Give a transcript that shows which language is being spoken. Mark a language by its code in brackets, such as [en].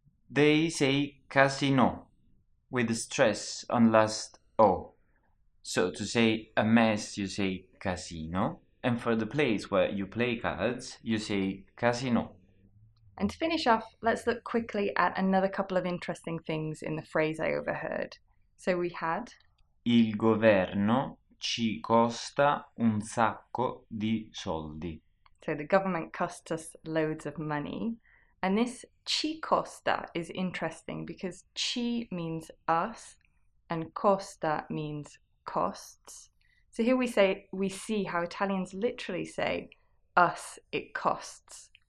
[en] They say casino with the stress on last O. So to say a mess, you say casino. And for the place where you play cards, you say casino. And to finish off, let's look quickly at another couple of interesting things in the phrase I overheard. So we had [it] Il governo ci costa un sacco di soldi. [en] So the government costs us loads of money. And this [it] ci costa [en] is interesting because ci means us and costa means costs. So here we see how Italians literally say us, it costs.